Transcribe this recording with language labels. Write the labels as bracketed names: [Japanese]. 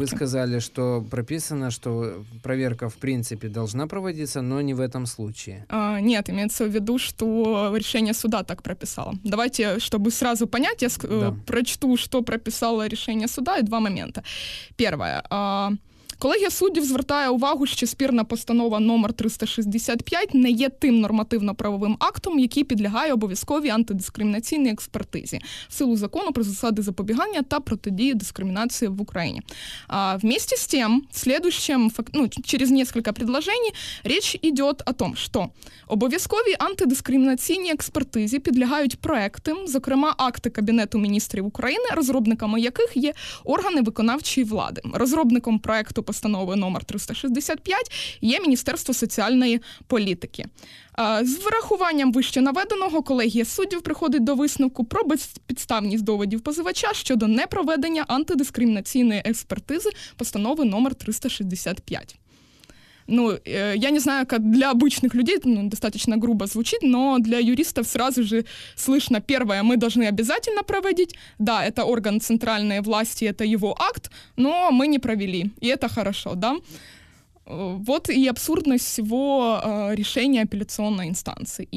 [Russian] Вы сказали, что прописано, что проверка в принципе должна проводиться, но не в этом случае. Нет, имеется в виду, что решение суда так прописало. Давайте, чтобы сразу понять, прочту, что прописало решение суда, и два момента. Первое. [Ukrainian] Колегія суддів звертає увагу, що спірна постанова номер 365 не є тим нормативно-правовим актом, який підлягає обов'язковій антидискримінаційній експертизі в силу закону про засади запобігання та протидії дискримінації в Україні. Вместе з тим, через кілька предложень, річ йде о том, що обов'язковій антидискримінаційній експертизі підлягають проекти, зокрема акти Кабінету міністрів України, розробниками яких є органи виконавчої влади. Розробником проекту постанови номер 365 є Міністерство соціальної політики. З врахуванням вище наведеного, колегія суддів приходить до висновку про безпідставність доводів позивача щодо непроведення антидискримінаційної експертизи постанови номер 365. [Russian] Ну, я не знаю, как для обычных людей, достаточно грубо звучит, но для юристов сразу же слышно, первое, мы должны обязательно проводить, да, это орган центральной власти, это его акт, но мы не провели, и это хорошо, да. Вот и абсурдность всего решения апелляционной инстанции.